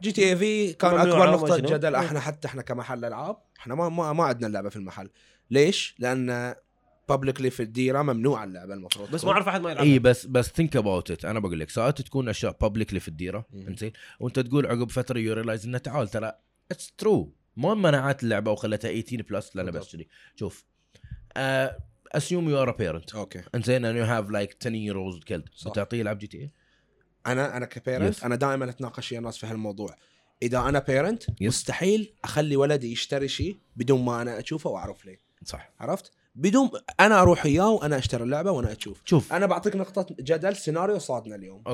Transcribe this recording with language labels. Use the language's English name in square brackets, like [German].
[Arabic] جي تي اي في كان اكبر نقطه جدل احنا حتى احنا كمحل العاب احنا ما عندنا اللعبه في المحل ليش؟ لان publicly في الديرة ممنوع اللعبة المفروض. بس ما عرف أحد ما يلعب. إيه بس [English] think about it. [Arabic] أنا بقول لك ساعات تكون أشياء publicly في الديرة إنزين وأنت تقول عقب فترة [English] you realize [Arabic] إنه تعال ترى [English] it's true. [Arabic] ما منعت اللعبة وخلتها 18 plus لأنا بس كذي. [English] شوف assume you are a parent. Okay. [Arabic] إنزين [English] and you have like 10 year olds killed. [Arabic] تعطيه لعب GTA. أنا كparent أنا دائما أتناقش يا ناس في هالموضوع. إذا أنا parent مستحيل أخلي ولدي يشتري شيء بدون ما أنا أشوفه وأعرف ليه. صح. عرفت؟ بدون أنا أروح إياه وأنا أشتري اللعبة وأنا أشوف. شوف. أنا بعطيك نقطة جدل سيناريو صادنا اليوم.